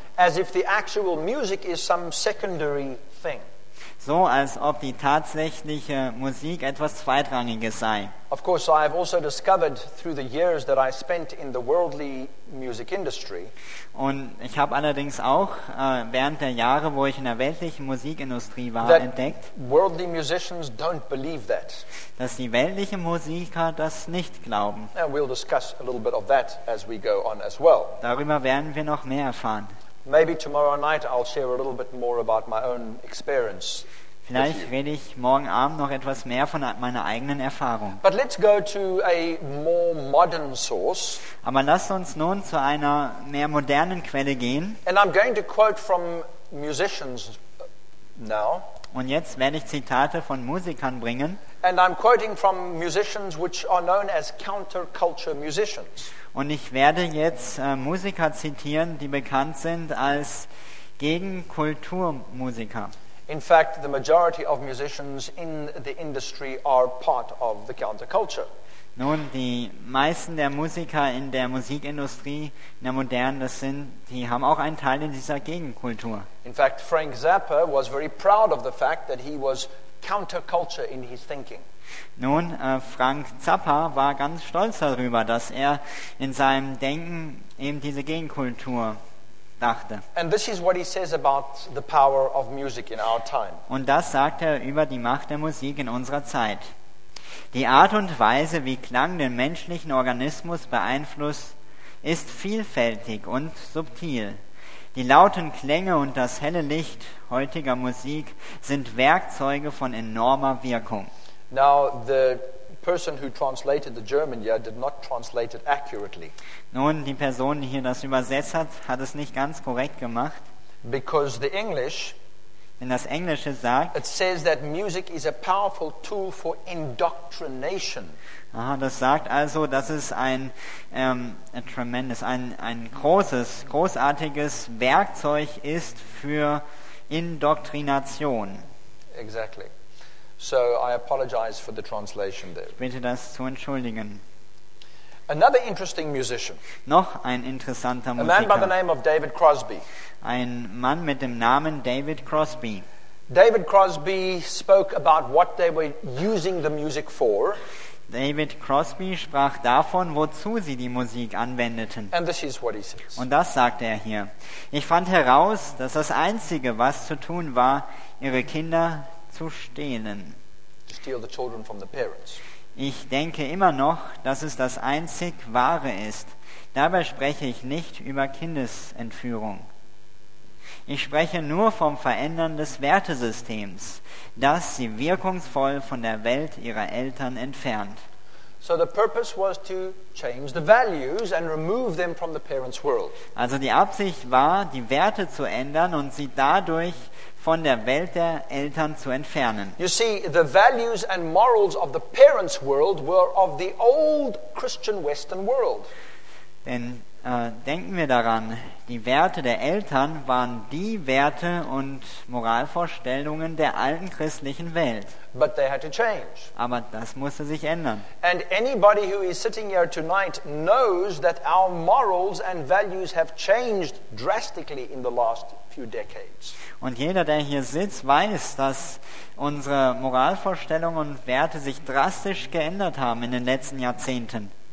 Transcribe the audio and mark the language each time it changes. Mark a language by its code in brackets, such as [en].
[en] As if the actual music is some secondary thing. [de] So als ob die tatsächliche Musik etwas Zweitrangiges sei. [en] Of course, I have also discovered through the years that I spent in the worldly music industry. [de] Und ich habe allerdings auch während der Jahre, wo ich in der weltlichen Musikindustrie war, entdeckt, [en] worldly musicians don't believe that. [de] Dass die weltlichen Musiker das nicht glauben. [en] And we'll discuss a little bit of that as we go on as well. [de] Darüber werden wir noch mehr erfahren. [en] Maybe tomorrow night I'll share a little bit more about my own experience. [de] Vielleicht rede ich morgen Abend noch etwas mehr von meiner eigenen Erfahrung. [en] But let's go to a more modern source. [de] Aber lasst uns nun zu einer mehr modernen Quelle gehen. [en] And I'm going to quote from musicians now. [de] Und jetzt werde ich Zitate von Musikern bringen. [en] And I'm quoting from musicians which are known as counterculture musicians. [de] Und ich werde jetzt Musiker zitieren, die bekannt sind als Gegenkulturmusiker. [en] In fact, the majority of musicians in the industry are part of the counterculture. [de] Nun, die meisten der Musiker in der Musikindustrie, in der modernen, die haben auch einen Teil in dieser Gegenkultur. [en] In fact, Frank Zappa was very proud of the fact that he was counterculture in his thinking. [de] Nun, Frank Zappa war ganz stolz darüber, dass er in seinem Denken eben diese Gegenkultur dachte. [en] And this is what he says about the power of music in our time. [de] Und das sagt er über die Macht der Musik in unserer Zeit. Die Art und Weise, wie Klang den menschlichen Organismus beeinflusst, ist vielfältig und subtil. Die lauten Klänge und das helle Licht heutiger Musik sind Werkzeuge von enormer Wirkung. [en] Now the person who translated the German here did not translate it accurately. [de] Nun, die Person, die hier das übersetzt hat, hat es nicht ganz korrekt gemacht. [en] Because the English, [de] in das Englische sagt, [en] it says that music is a powerful tool for indoctrination. [de] Aha, das sagt also, dass es ein großartiges Werkzeug ist für Indoktrination. [en] Exactly. So I apologize for the translation there. [de] Ich bitte das zu entschuldigen. [en] Another interesting musician. [de] Noch ein interessanter Musiker. [en] A man by the name of David Crosby. [de] Ein Mann mit dem Namen David Crosby. [en] David Crosby spoke about what they were using the music for. [de] David Crosby sprach davon, wozu sie die Musik anwendeten. [en] And this is what he says. [de] Und das sagte er hier. Ich fand heraus, dass das Einzige, was zu tun war, ihre Kinder zu stehlen. [en] To steal the children from the parents. [de] Ich denke immer noch, dass es das einzig Wahre ist. Dabei spreche ich nicht über Kindesentführung. Ich spreche nur vom Verändern des Wertesystems, das sie wirkungsvoll von der Welt ihrer Eltern entfernt. [en] So the purpose was to change the values and remove them from the parents' world. [de] Also die Absicht war, die Werte zu ändern und sie dadurch von der Welt der Eltern zu entfernen. [en] You see, the values and morals of the parents' world were of the old Christian Western world. [de] Denn denken wir daran, die Werte der Eltern waren die Werte und Moralvorstellungen der alten christlichen Welt. [en] But they had to change. [de] Aber das musste sich ändern. [en] And anybody who is sitting here tonight knows that our morals and values have changed drastically in the last few decades. [de] Und jeder, der hier sitzt, weiß, dass unsere Moralvorstellungen und Werte sich drastisch geändert haben in den letzten Jahrzehnten.